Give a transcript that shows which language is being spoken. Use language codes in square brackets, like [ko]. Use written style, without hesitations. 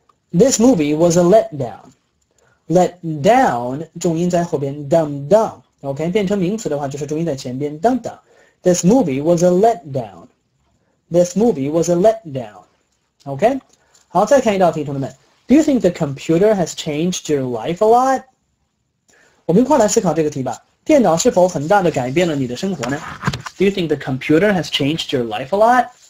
[en] This movie was a let down. Let down [zh] 重音在后边 [en] dum dum. [zh] OK, 变成名词的话就是重音在前边 dum dum. [en] This movie was a let down. This movie was a let down. [zh] OK, 好，再看一道题，同学们。 [en] Do you think the computer has changed your life a lot? [zh] 我们一块来思考这个题吧。电脑是否很大的改变了你的生活呢？ [en] Do you think the computer has changed your life a lot?